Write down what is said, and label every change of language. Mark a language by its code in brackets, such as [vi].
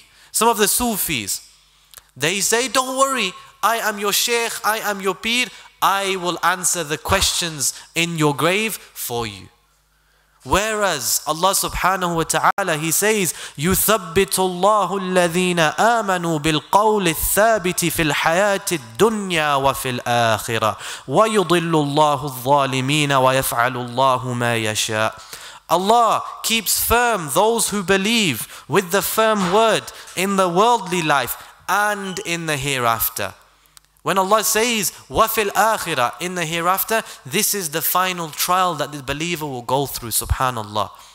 [en] Some of the Sufis, they say, don't worry, I am your sheikh, I am your peer, I will answer the questions in your grave for you. Whereas Allah subhanahu wa ta'ala, he says, [ar] يُثَبِّتُ اللَّهُ الَّذِينَ آمَنُوا بِالْقَوْلِ الثَّابِتِ فِي الْحَيَاةِ الدُّنْيَا وَفِي الْآخِرَةِ وَيُضِلُّ اللَّهُ الظَّالِمِينَ وَيَفْعَلُ اللَّهُ مَا يَشَاءُ. [en] Allah keeps firm those who believe with the firm word in the worldly life and in the hereafter. When Allah says, [ar] وَفِي الْآخِرَةِ, [en] in the hereafter, this is the final trial that the believer will go through, subhanAllah.